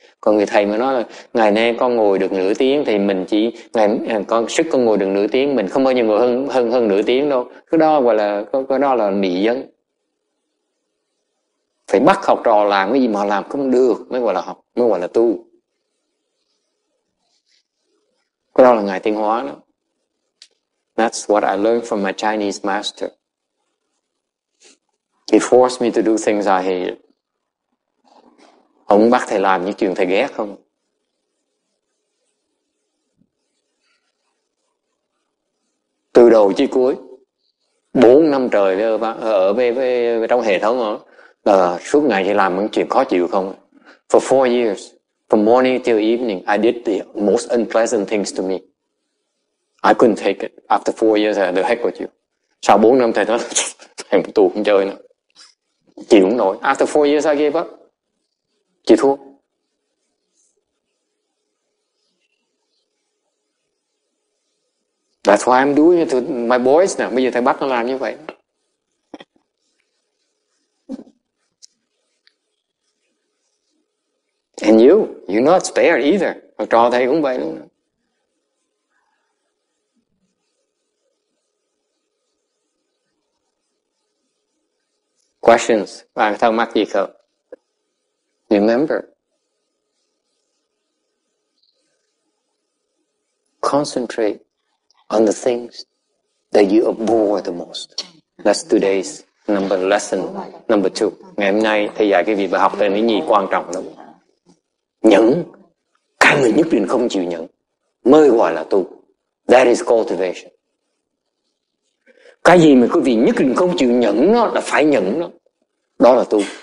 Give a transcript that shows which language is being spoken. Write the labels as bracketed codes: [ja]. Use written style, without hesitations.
[vi] Còn người thầy mới nói là ngày nay con ngồi được nửa tiếng thì mình chỉ ngày con sức con ngồi được nửa tiếng, mình không bao giờ ngồi hơn nửa tiếng đâu. Cái đó gọi là cái đó là mị dân. Phải bắt học trò làm cái gì mà họ làm không được mới gọi là học, mới gọi là tu. Cái đó là ngày tiến hóa đó. [en] That's what I learned from my Chinese master. He forced me to do things I hate. [vi] Ông bắt thầy làm những chuyện thầy ghét không? Từ đầu chí cuối, 4 năm trời ở trong hệ thống đó, là suốt ngày thì làm những chuyện khó chịu không? [en] For 4 years, from morning till evening, I did the most unpleasant things to me. I couldn't take it. After 4 years, the heck with you. [vi] Sau 4 năm thầy nói, thầy tù không chơi nữa. Chịu không nổi. [en] After 4 years, I gave up. [vi] Chịu thua. [en] That's why I'm doing it to my boys now. [vi] Bây giờ thầy bắt nó làm như vậy. [en] And you, you're not spared either. [vi] Học trò thầy cũng vậy luôn. [en] Questions? [vi] Bạn thắc mắc gì không? [en] Remember, concentrate on the things that you abhor the most. That's today's number lesson number two. [vi] Ngày hôm nay thầy dạy cái việc bài học tên cái gì quan trọng lắm. Nhẫn, cái mình nhất định không chịu nhẫn, mới gọi là tu. [en] That is cultivation. [vi] Cái gì mà quý vị nhất định không chịu nhẫn nó là phải nhẫn đó. Đó là tu.